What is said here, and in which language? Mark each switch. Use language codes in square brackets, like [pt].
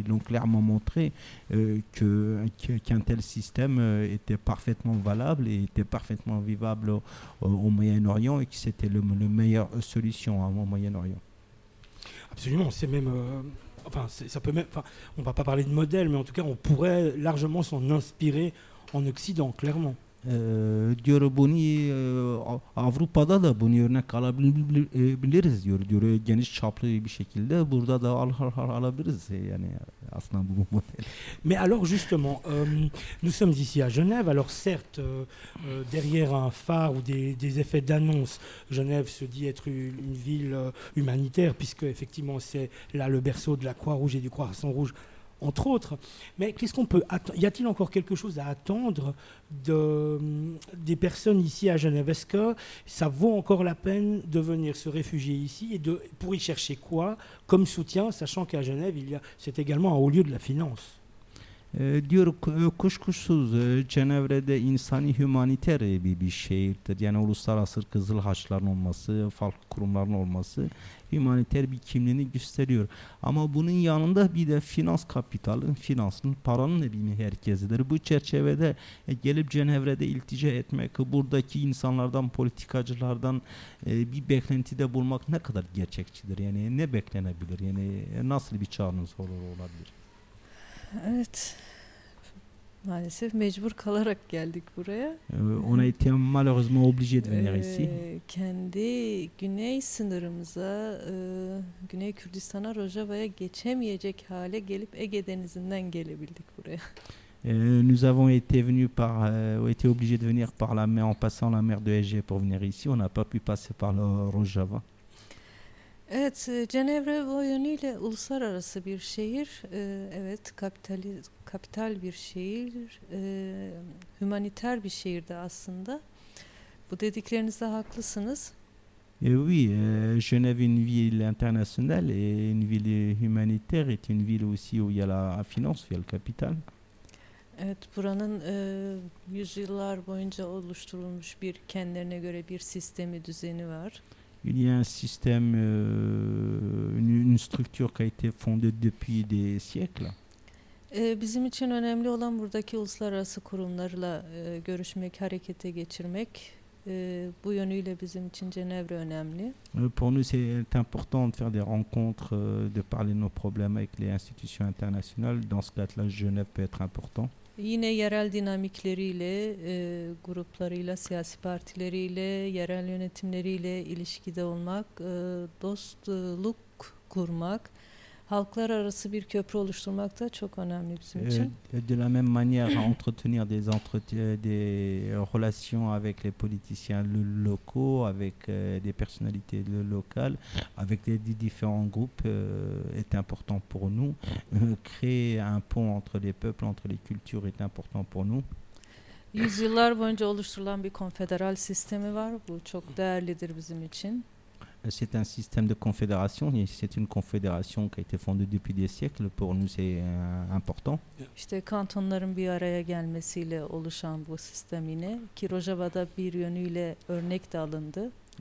[fr] Ils ont clairement montré qu'un tel système était parfaitement valable et était parfaitement vivable au Moyen-Orient et que c'était la meilleure solution au Moyen-Orient. Absolument, c'est même... on ne va pas parler de modèle, mais en tout cas, on pourrait largement s'en inspirer en Occident, clairement. [tr] Diyor bunu Avrupa'da da bunu örnek alabiliriz diyor. Diyor geniş çaplı bir şekilde burada da alabiliriz yani aslında bu model. [fr] Mais alors justement, nous sommes ici à Genève. Alors certes, derrière un phare ou des effets d'annonce, Genève se dit être une ville humanitaire puisque effectivement c'est là le berceau de la Croix-Rouge et du Croissant Rouge. Entre autres, mais qu'est-ce qu'on peut attendre? Y a-t-il encore quelque chose à attendre des personnes ici à Genève? Est-ce que ça vaut encore la peine de venir se réfugier ici et de pour y chercher quoi comme soutien, sachant qu'à Genève, c'est également un haut lieu de la finance. [tr] Diyor kuşkusuz Cenevre'de insani humaniter bir şehirdir. Yani uluslararası Kızıl Haçların olması, farklı kurumların olması humaniter bir kimliğini gösteriyor. Ama bunun yanında bir de finans kapitalın, finansının, paranın da bir merkezidir. Bu çerçevede gelip Cenevre'de iltica etmek, buradaki insanlardan, politikacılardan bir beklentide bulmak ne kadar gerçekçidir? Yani ne beklenebilir? Yani nasıl bir çağrınız olabilir? Evet, maalesef mecbur kalarak geldik buraya. Ona ihtiyacım [fr] malheureusement obligé de venir ici. [tr] Kendi güney sınırımıza, Güney Kürdistan'a, Rojava'ya geçemeyecek hale gelip Ege Denizi'nden gelebildik buraya. [fr] Nous avons été obligés de venir par la mer, en passant la mer de Ege pour venir ici. On n'a pas pu passer par le Rojava. [tr] Evet, Cenevre o yönüyle uluslararası bir şehir, evet kapital bir şehir, humaniter bir şehir de aslında. Bu dediklerinizde haklısınız. [fr] Oui, Genève une ville internationale et une ville humanitaire est une ville aussi où il y a la finance, il y a le capital. [tr] Evet, buranın yüzyıllar boyunca oluşturulmuş bir kendilerine göre bir sistemi düzeni var. [fr] Il y a un système, une structure qui a été fondée depuis des siècles. [tr] Bizim için önemli olan buradaki uluslararası kurumlarla görüşmek, harekete geçirmek. Bu yönüyle bizim için Cenevre önemli. [fr] Pour nous, c'est important de faire des rencontres, de parler de nos problèmes avec les institutions internationales. Dans ce cas-là, Genève peut être important. [tr] Yine yerel dinamikleriyle, gruplarıyla, siyasi partileriyle, yerel yönetimleriyle ilişkide olmak, dostluk kurmak, halklar arası bir köprü oluşturmak da çok önemli bizim için. [fr] De la même manière entretenir des relations avec les politiciens locaux, avec des personnalités locales, avec les différents groupes est important pour nous. Créer un pont entre les peuples, entre les cultures est important pour nous. [tr] Yüzyıllar boyunca oluşturulan bir konfederal sistemi var. Bu çok değerlidir bizim için. [fr] C'est un système de confédération. C'est une confédération qui a été fondée depuis des siècles. Pour nous, c'est important. [tr] İşte kantonların bir araya gelmesiyle oluşan bu sistem yine, ki Rojava'da bir yönüyle örnek de alındı.